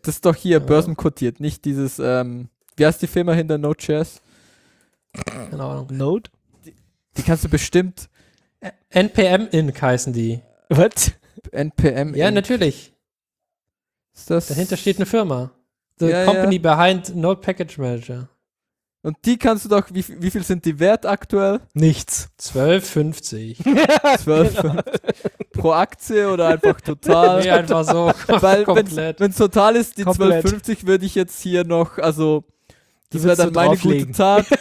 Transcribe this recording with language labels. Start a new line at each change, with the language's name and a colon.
German: Das ist doch hier börsenkotiert. Nicht dieses, wie heißt die Firma hinter Node.js? Keine Ahnung. Node? Die kannst du bestimmt. NPM Inc. heißen die.
English: What?
German: NPM Inc. Ja, natürlich. Ist das? Dahinter steht eine Firma.
English: The company behind Node Package Manager.
German: Und die kannst du doch, wie viel sind die wert aktuell? Nichts. 12,50. 12,50. Genau. Pro Aktie oder einfach total? Nee, einfach so. Weil komplett. Wenn es total ist, die 12,50 würde ich jetzt hier noch, also, das wäre dann so meine drauflegen. Gute Tat.